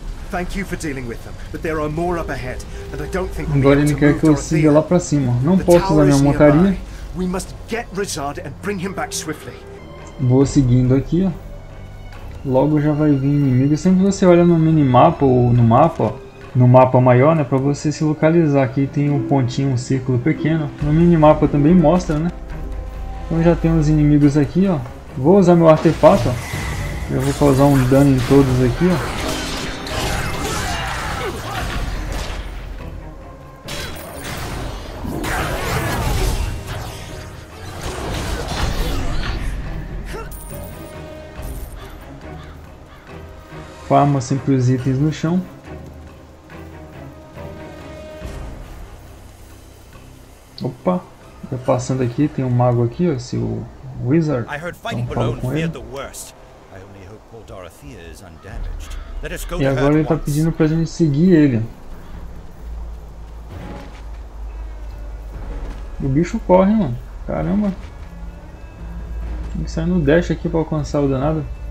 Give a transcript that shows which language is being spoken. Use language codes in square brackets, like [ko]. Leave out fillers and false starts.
[en] Thank you for dealing with them, but there are more up ahead, and I don't think [pt] agora ele quer que eu siga lá pra cima. Não posso usar minha montaria. [en] We must get Rezard and bring him back swiftly. [pt] Vou seguindo aqui, ó. Logo já vai vir inimigo. Sempre você olha no minimapa ou no mapa, ó, no mapa maior, né, para você se localizar. Aqui tem um pontinho, um círculo pequeno. No minimapa também mostra, né? Então já tem os inimigos aqui, ó. Vou usar meu artefato, ó. Eu vou causar um dano em todos aqui, ó. Farma sempre os itens no chão. Opa, tá passando aqui, tem um mago aqui, ó, esse o Wizard. [en] I heard fighting below and feared the worst. I only hope poor Dorothea is undamaged. Let us go. [pt] E agora ele tá pedindo pra gente seguir ele. O bicho corre, mano. Caramba. Tem que sair no dash aqui pra alcançar o danado.